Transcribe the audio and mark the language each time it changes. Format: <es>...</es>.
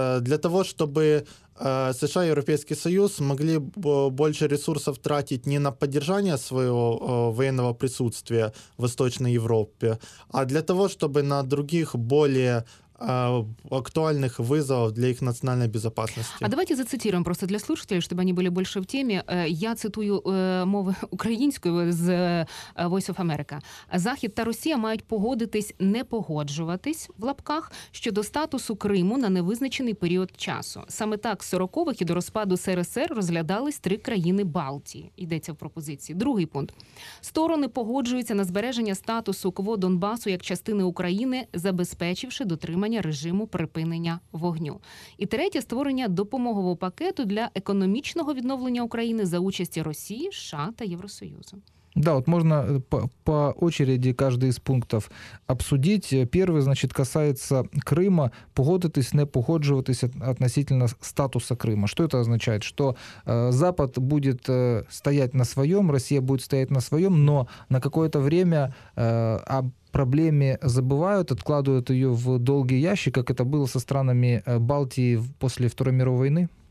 <ru>Для того, чтобы США и Европейский Союз могли больше ресурсов тратить не на поддержание своего военного присутствия в Восточной Европе, а для того, чтобы на других более актуальных вызовов для их национальной безопасности. А давайте зацитируем просто для слушателей, чтобы они были больше в теме. Я цитую</ru> <uk>мову українську</uk> <ru>з Voice of America.</ru> <uk>Захід та Росія мають погодитись не погоджуватись в лапках щодо статусу Криму на невизначений період часу. Саме так з 40-х і до розпаду СРСР розглядались три країни Балтії. Йдеться в пропозиції. Другий пункт. Сторони погоджуються на збереження статусу КВО Донбасу як частини України, забезпечивши дотримання режиму припинення вогню. І третє – створення допомогового пакету для економічного відновлення України за участі Росії, США та Євросоюзу.</uk> <ru>Да, вот можно по очереди каждый из пунктов обсудить. Первый, значит, касается Крыма. Погодитесь,</ru> <uk>не погоджуватись</uk> <ru>относительно статуса Крыма. Что это означает? Что Запад будет стоять на своем, Россия будет стоять на своем, но на какое-то время о проблеме забывают, откладывают ее в долгий ящик, как это было со странами Балтии после Второй мировой войны?</ru>